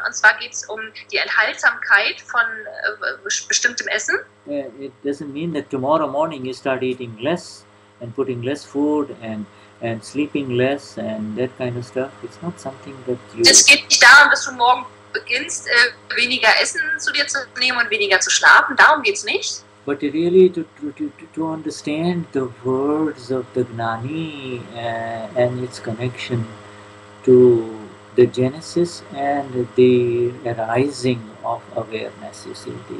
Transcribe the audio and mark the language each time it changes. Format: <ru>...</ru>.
<de>Und zwar geht es um die Enthaltsamkeit von bestimmtem Essen.</de> <en>It doesn't mean that tomorrow morning you start eating less and putting less food and sleeping less and that kind of stuff. It's not something that you.</en> <de>Es geht nicht darum, dass du morgen beginnst, weniger Essen zu dir zu nehmen und weniger zu schlafen. Darum geht's nicht.</de> <en>But really to understand the words of the Gnani and its connection to the genesis and the arising of awareness, you see.</en>